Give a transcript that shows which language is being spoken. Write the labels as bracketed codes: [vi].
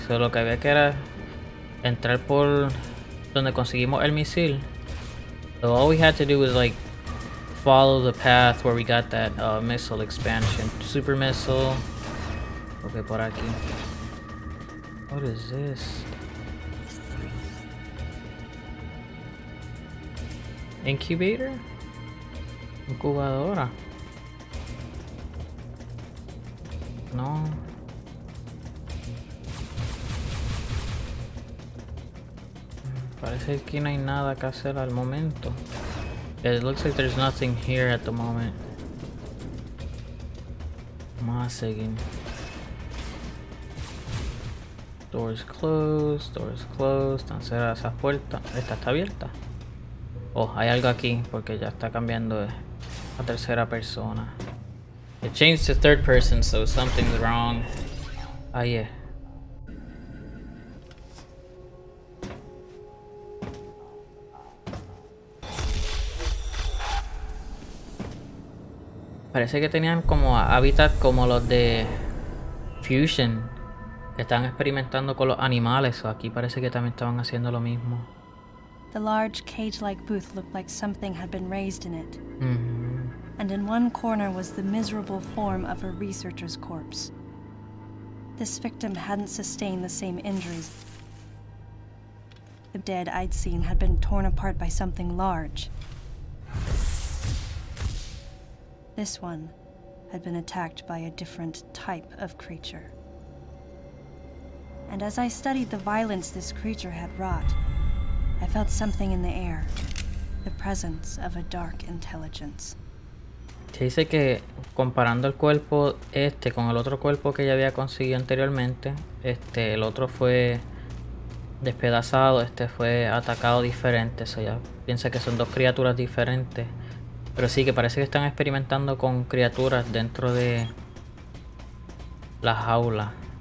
[es] So lo que había que era entrar por donde conseguimos el misil. [en] So all we had to do was like follow the path where we got that missile expansion. Super missile. Okay, [es] por aquí. [en] What is this? Incubator? Incubadora. [es] No. Parece que no hay nada que hacer al momento. [en] Yeah, it looks like there's nothing here at the moment. [es] Vamos a seguir. [en] Doors closed, doors closed. [es] Están cerradas esas puertas. Esta está abierta. Oh, hay algo aquí porque ya está cambiando de... A tercera persona. [en] It changed to third person, so something's wrong. Ah, yeah. [es] Parece que tenían como hábitat como los de Fusion, que están experimentando con los animales. O aquí parece que también estaban haciendo lo mismo. [en] The large cage-like booth looked like something had been raised in it. Mm-hmm. And in one corner was the miserable form of a researcher's corpse. This victim hadn't sustained the same injuries. The dead I'd seen had been torn apart by something large. This one had been attacked by a different type of creature. And as I studied the violence this creature had wrought, I felt something in the air, the presence of a dark intelligence. [es] Se dice que comparando el cuerpo este con el otro cuerpo que ya había conseguido anteriormente, este, el otro fue despedazado, este fue atacado diferente. O sea, ya piensa que son dos criaturas diferentes. Pero sí, que parece que están experimentando con criaturas dentro de La jaula.